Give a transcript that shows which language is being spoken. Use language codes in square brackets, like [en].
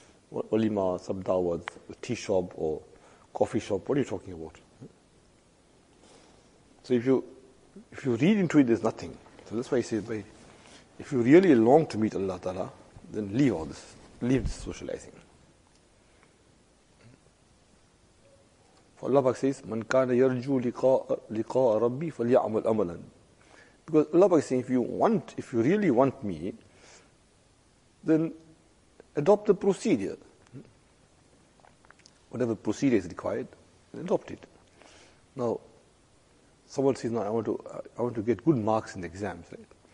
[en] Walima, sabdawad, tea shop or coffee shop, what are you talking about? So if you read into it, there's nothing. So that's why he says, if you really long to meet Allah Ta'ala, then leave all this, leave this socializing. For Allah Pak says, [ar] مَنْ كَانَ يَرْجُو لِقَاءَ رَبِّي فَلْيَعْمَلْ أَمَلًا. [en] Because Allah Pak is saying, if you really want me, then adopt the procedure. Whatever procedure is required, adopt it. Now, someone says, no, I want to get good marks in the exams, right?